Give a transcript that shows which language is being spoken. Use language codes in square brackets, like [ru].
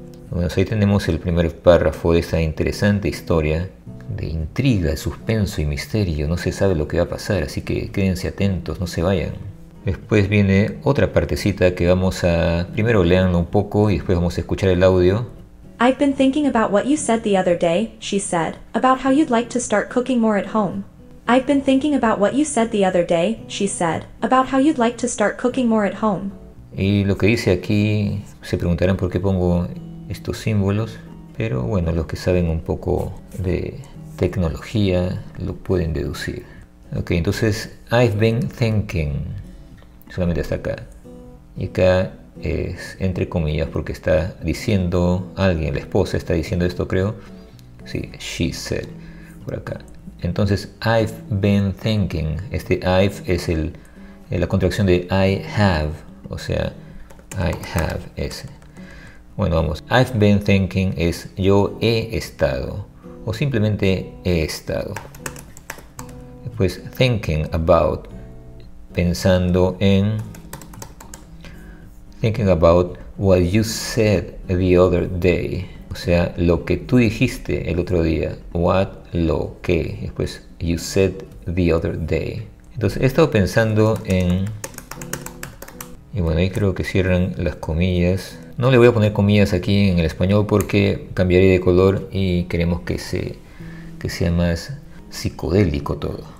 [es] Bueno, ahí tenemos el primer párrafo de esta interesante historia de intriga, suspenso y misterio. No se sabe lo que va a pasar, así que quédense atentos, no se vayan. Después viene otra partecita que vamos a... Primero leanlo un poco y después vamos a escuchar el audio. [en] I've been thinking about what you said the other day, she said, about how you'd like to start cooking more at home. I've been thinking about what you said the other day, she said, about how you'd like to start cooking more at home. [es] Y lo que dice aquí, se preguntarán por qué pongo estos símbolos, pero bueno, los que saben un poco de tecnología lo pueden deducir. Ok, entonces, [en] I've been thinking, [es] solamente hasta acá. Y acá es entre comillas porque está diciendo alguien, la esposa está diciendo esto, creo. Sí, [en] she said, [es] por acá. Entonces, [en] I've been thinking, [es] este I've es la contracción de [en] I have, [es] o sea, I have, ese. Bueno, vamos, [en] I've been thinking [es] es yo he estado, o simplemente he estado. Después, [en] thinking about, pensando en, thinking about what you said the other day. [es] O sea, lo que tú dijiste el otro día. What, lo, que. Después, [en] you said the other day. [es] Entonces, he estado pensando en... Y bueno, ahí creo que cierran las comillas. No le voy a poner comillas aquí en el español porque cambiaré de color y queremos que sea más psicodélico todo.